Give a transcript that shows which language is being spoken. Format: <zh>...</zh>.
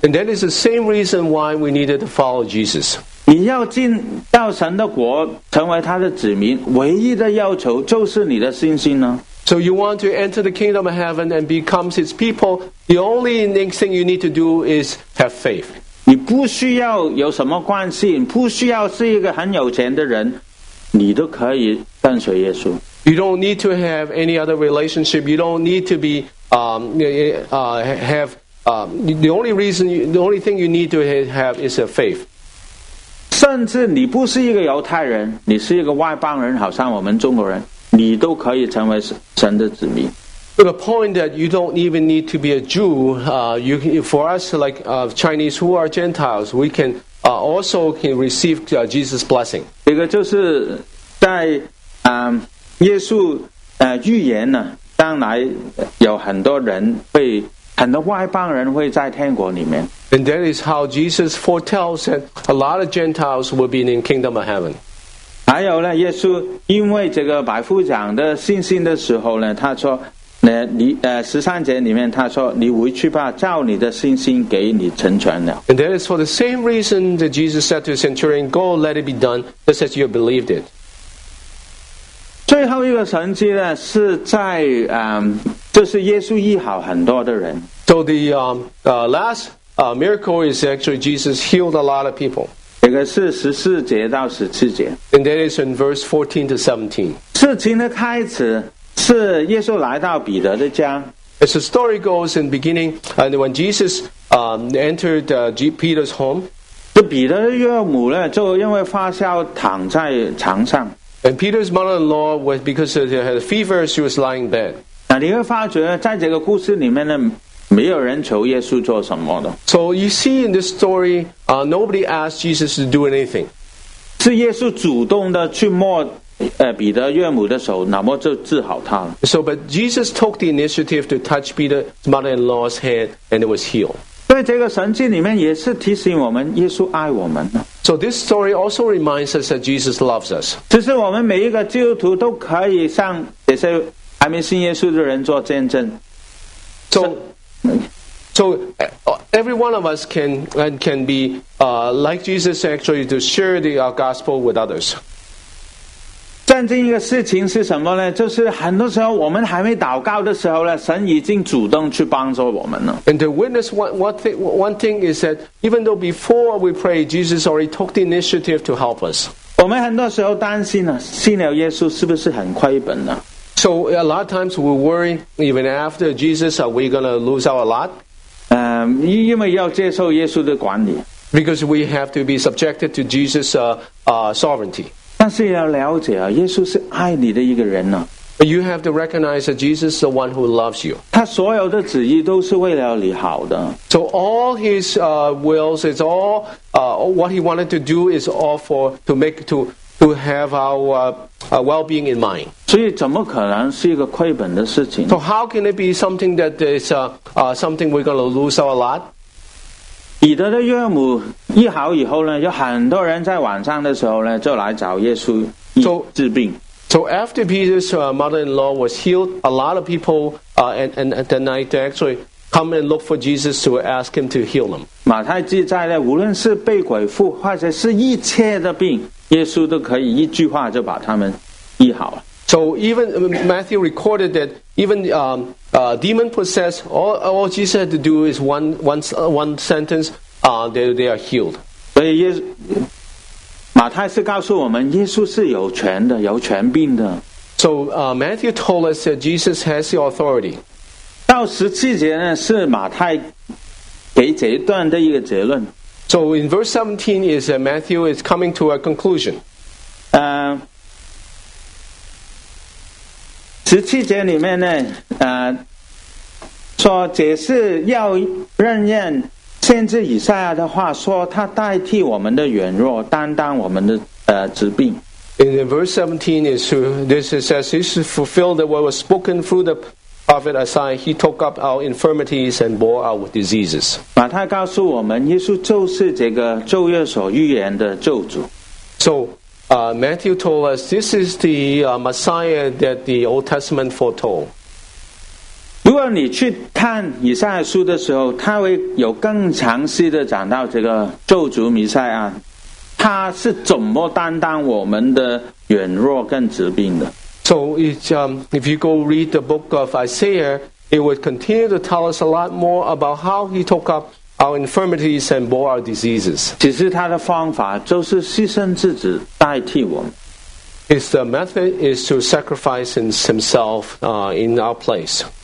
<en>And that is the same reason why we needed to follow Jesus.</en> <zh>你要进到神的国，成为他的子民，唯一的要求就是你的信心呢。</zh> <en>So you want to enter the kingdom of heaven and become his people, the only thing you need to do is have faith.</en> <zh>你不需要有什么关系，不需要是一个很有钱的人，你都可以跟随耶稣。</zh> <en>You don't need to have any other relationship. You don't need to be, have, the only reason, the only thing you need to have is a faith.</en> <zh>甚至你不是一个犹太人，你是一个外邦人，好像我们中国人，你都可以成为神的子民。</zh> <en>So the point that you don't even need to be a Jew, you can, for us like Chinese who are Gentiles, we can also can receive Jesus' blessing.</en> <zh>这个就是在耶稣预言呢，将来有很多人被很多外邦人会在天国里面。</zh> <en>And that is how Jesus foretells that a lot of Gentiles will be in the kingdom of heaven.</en> <zh>还有呢，耶稣因为这个百夫长的信心的时候呢，他说，十三节里面他说，你回去吧，照你的信心给你成全了。</zh> <en>And that is for the same reason that Jesus said to the centurion, go, let it be done, just as you believed it.</en> <zh>最后一个神迹呢，是在就是耶稣医好很多的人。</zh> <en>So the last... miracle is actually Jesus healed a lot of people.</en> <zh>这个是十四节到十七节。</zh> <en>And that is in verse 14 to 17.</en> <zh>事情的开始是耶稣来到彼得的家。</zh> <en>As the story goes in the beginning, and when Jesus entered Peter's home,</en> <zh>这彼得的岳母呢就因为发烧躺在床上。</zh> <en>And Peter's mother-in-law was because she had a fever, she was lying in bed.</en> <zh>那你会发觉在这个故事里面呢没有人求耶稣做什么的。</zh> <en>So you see in this story, nobody asked Jesus to do anything.</en> <zh>是耶稣主动的去摸彼得岳母的手，那么就治好他了。</zh> <en>So but Jesus took the initiative to touch Peter's mother-in-law's hand, and it was healed.</en> <zh>对这个神迹里面也是提醒我们，耶稣爱我们。</zh> <en>So this story also reminds us that Jesus loves us.</en> <zh>其实我们每一个基督徒都可以向这些还没信耶稣的人做见证。</zh> <en>So every one of us can be like Jesus actually to share the gospel with others.</en> <zh>战争一个事情是什么呢？就是很多时候我们还没祷告的时候呢，神已经主动去帮助我们了。</zh> <en>And to witness one thing is that even though before we pray, Jesus already took the initiative to help us.</en> <zh>我们很多时候担心呢，信了耶稣是不是很亏本呢？</zh> <en>So a lot of times we worry, even after Jesus, are we going to lose our lot? Because we have to be subjected to Jesus' sovereignty.</en> <zh>但是要了解啊，耶稣是爱你的一个人啊。</zh> <en>But you have to recognize that Jesus is the one who loves you.</en> <zh>他所有的旨意都是为了你好的。</zh> <en>So all his wills, it's all what he wanted to do is all for to make to have our well-being in mind.</en> <zh>所以怎么可能是一个亏本的事情？</zh> <en>So how can it be something that is something we're going to lose our lot?</en> <zh>彼得的岳母医好以后呢，有很多人在晚上的时候呢，就来找耶稣治病。</zh> <en>So after Peter's mother-in-law was healed, a lot of people and at the night actually come and look for Jesus to ask him to heal them.</en> <zh>马太记载呢，无论是被鬼附或者是一切的病，耶稣都可以一句话就把他们医好了。</zh> <en>So even Matthew recorded that even demon possessed, all Jesus had to do is one sentence, they are healed.</en> <zh>所以马太是告诉我们，耶稣是有权的，有权柄的。</zh> <en>So Matthew told us that Jesus has the authority.</en> <zh>到十七节呢，是马太给这一段的一个结论。</zh> <en>So in verse 17 is Matthew is coming to a conclusion.</en> <zh>十七节里面呢，说这是要认认先知以赛亚的话，说他代替我们的软弱，担当我们的疾病。</zh> <en>In verse 17, it says, this is fulfilled what was spoken through the prophet Isaiah. He took up our infirmities and bore our diseases.</en> <zh>马太告诉我们,</zh> <en>Matthew told us, this is the Messiah that the Old Testament foretold.</en> <zh>如果你去看以赛亚书的时候，他会有更详细的讲到这个咒诅弥赛亚，他是怎么担当我们的软弱跟疾病的。</zh> <en>So if you go read the book of Isaiah, it would continue to tell us a lot more about how he took up our infirmities and bore our diseases.</en> <zh>其实他的方法就是牺牲自己代替我们。</zh> <en>His method is to sacrifice himself in our place.</en>